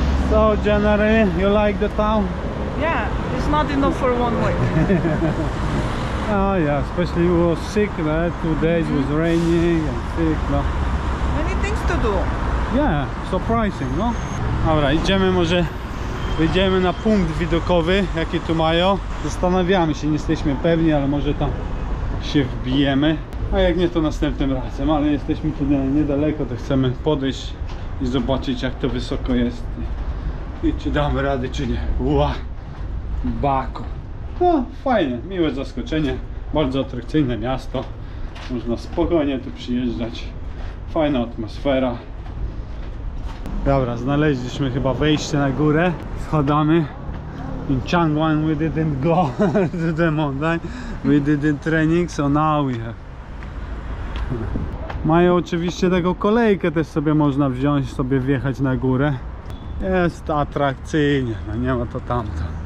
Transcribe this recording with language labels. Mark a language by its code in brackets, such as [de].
[en] So, January, you like the town? Yeah, it's not enough for one week. Oh yeah, especially it was sick, right? 2 days it was raining and sick, no. Many things to do. Yeah, surprising, no? [pl] Dobra, idziemy może, wyjdziemy na punkt widokowy, jaki tu mają. Zastanawiamy się, nie jesteśmy pewni, ale może tam się wbijemy. A jak nie, to następnym razem, ale jesteśmy tu niedaleko, to chcemy podejść i zobaczyć, jak to wysoko jest. I czy damy radę, czy nie. Ua! Baku! No, fajne, miłe zaskoczenie, bardzo atrakcyjne miasto, można spokojnie tu przyjeżdżać, fajna atmosfera. Dobra, znaleźliśmy chyba wejście na górę, schodamy. [en] In Chang'an we didn't go to the mountain, we didn't training, so now we have. [pl] Mają oczywiście taką kolejkę, też sobie można wziąć, sobie wjechać na górę. Jest atrakcyjnie, no nie ma to tamto.